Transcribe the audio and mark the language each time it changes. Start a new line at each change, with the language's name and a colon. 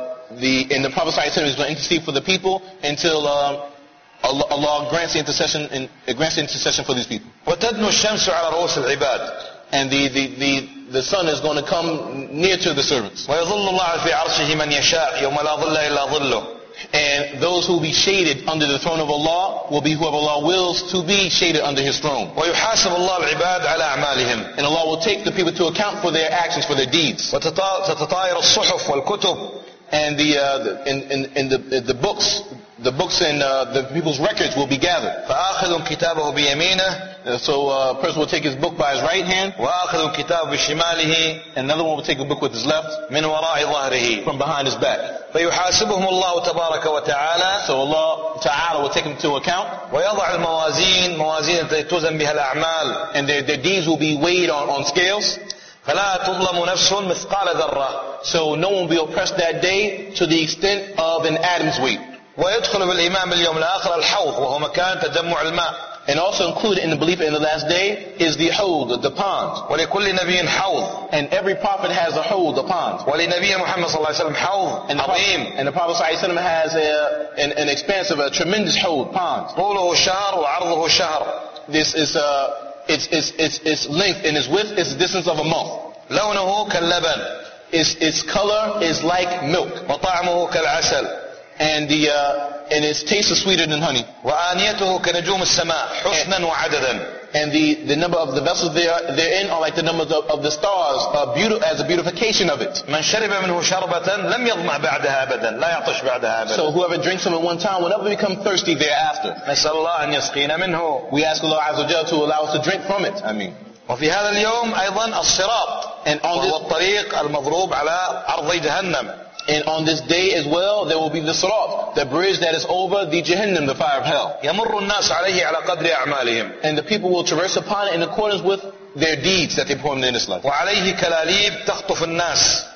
English: And the Prophet صلى الله عليه وسلم is going to intercede for the people until Allah grants the intercession for these people.
Arabic: وتدنو الشمس على رؤوس العباد,
English: and the sun is going to come near to the servants.
Arabic: ويظل الله في عرشه من يشاء يوم لا ظل إلا ظله,
English: and those who will be shaded under the throne of Allah will be whoever Allah wills to be shaded under His throne.
Arabic: ويحاسب الله العباد على أعمالهم,
English: and Allah will take the people to account for their actions, for their deeds.
Arabic: وتتطاير الصحف والكتب,
English: and the books and the people's records will be gathered.
Arabic: فآخذ كتابه بيمينه,
English: so a person will take his book by his right hand.
Arabic: وآخذ كتابه بشماله,
English: and another one will take a book with his left.
Arabic: من وراء ظهره,
English: from behind his back.
Arabic: فيحاسبهم الله تبارك وتعالى,
English: so Allah تعالى will take him to account.
Arabic: ويضع الموازين, موازين توزن بها الأعمال,
English: and their deeds will be weighed on scales.
Arabic: فلا تظلم نفس مثقال ذرة,
English: so no one will be oppressed that day to the extent of an atom's weight.
Arabic: ويدخل بالإيمان اليوم الآخر الحوض, وهو مكان تجمع الماء.
English: And also included in the belief in the last day is the hold, the pond.
Arabic: ولكل نبي حوض,
English: and every prophet has a hold, a pond.
Arabic: ولنبي محمد صلى الله عليه وسلم حوض عظيم,
English: and the Prophet صلى الله عليه وسلم has an expansive, a tremendous hold, pond.
Arabic: طوله شهر وعرضه شهر,
English: this is its length and its width is the distance of a month.
Arabic: لونه كاللبن,
English: its color is like milk.
Arabic: وطعمه كالعسل,
English: and its taste is sweeter than honey.
Arabic: وآنيته كنجوم السماء حسنا وعددا,
English: and the number of the vessels therein are like the numbers of the stars, as a beautification of it.
Arabic: من شرب منه شربة لم يضمع بعدها أبدا, لا يعطش بعدها أبدا.
English: So whoever drinks from it one time will never become thirsty thereafter.
Arabic: نسأل الله أن يسقينا منه,
English: we ask Allah عز وجل to allow us to drink from it.
Arabic: آمين. وفي هذا اليوم أيضا الصراط,
English: and on
Arabic: وهو الطريق المضروب على أرض جهنم.
English: And on this day as well, there will be the Sirat, the bridge that is over the Jahannam, the fire of hell.
Arabic: يمر الناس عليه على قدر أعمالهم,
English: and the people will traverse upon it in accordance with their deeds that they performed in this life.
Arabic: وعليه كلاليب تخطف الناس,